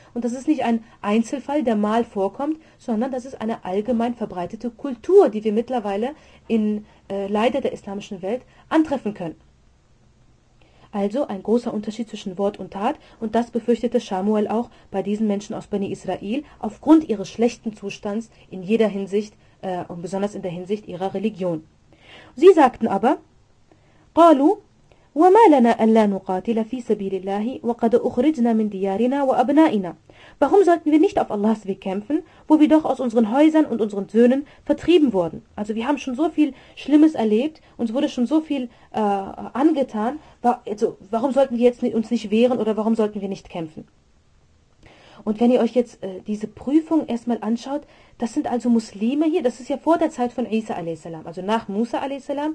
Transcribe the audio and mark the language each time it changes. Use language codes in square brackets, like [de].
[de] Und das ist nicht ein Einzelfall, der mal vorkommt, sondern das ist eine allgemein verbreitete Kultur, die wir mittlerweile in leider der islamischen Welt antreffen können. Also ein großer Unterschied zwischen Wort und Tat. Und das befürchtete Samuel auch bei diesen Menschen aus Bani Israel, aufgrund ihres schlechten Zustands in jeder Hinsicht und besonders in der Hinsicht ihrer Religion. Sie sagten aber, [ar] قالوا وما لنا ألا نقاتل في سبيل الله وقد أخرجنا من ديارنا وأبنائنا. [de] Warum sollten wir nicht auf Allahs Weg kämpfen, wo wir doch aus unseren Häusern und unseren Söhnen vertrieben wurden? Also wir haben schon so viel Schlimmes erlebt, uns wurde schon so viel angetan, warum sollten wir jetzt uns nicht wehren oder warum sollten wir nicht kämpfen? Und wenn ihr euch jetzt diese Prüfung erstmal anschaut, das sind also Muslime hier, das ist ja vor der Zeit von Isa a.s., also nach Musa a.s.